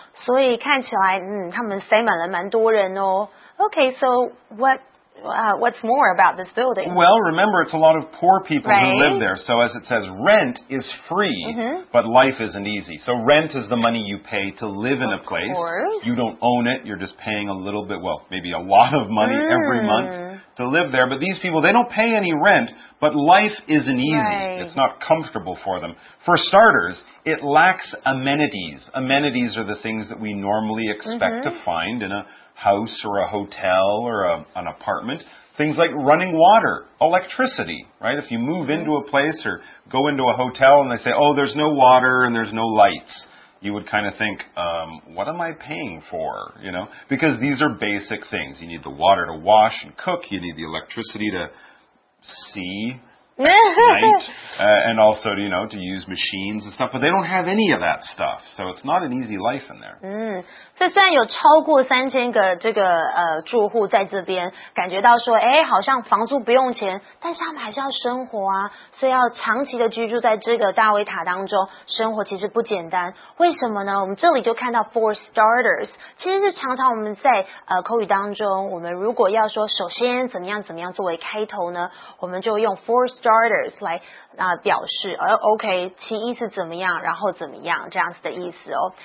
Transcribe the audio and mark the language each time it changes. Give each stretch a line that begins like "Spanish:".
Chinese: 所以看起来他们塞满了蛮多人哦。
English: Okay, so what's more about this building? Well, remember, it's a lot of poor people who live there. So as it says, rent is free, but life isn't easy. So rent is the money you pay to live in a place. Of course. You don't own it. You're just paying a little bit, well, maybe a lot of money every month to live there. But these people, they don't pay any rent, but life isn't easy. Right. It's not comfortable for them. For starters, it lacks amenities. Amenities are the things that we normally expect to find in a house or a hotel or an apartment. Things like running water, electricity, right? If you move into a place or go into a hotel and they say, oh, there's no water and there's no lights, you would kind of think, what am I paying for? You know, because these are basic things. You need the water to wash and cook. You need the electricity to see night, and also, you know, to use machines and stuff, but they don't have any of that stuff, so it's not an easy life in there.
Chinese: 所以虽然有超过三千个这个住户在这边，感觉到说，哎，好像房租不用钱，但是他们还是要生活啊，所以要长期的居住在这个大卫塔当中，生活其实不简单。为什么呢？我们这里就看到 for starters， 其实是常常我们在口语当中，我们如果要说首先怎么样怎么样作为开头呢，我们就用 for starters 来表示，OK， 其一是怎么样，然后怎么样这样子的意思哦。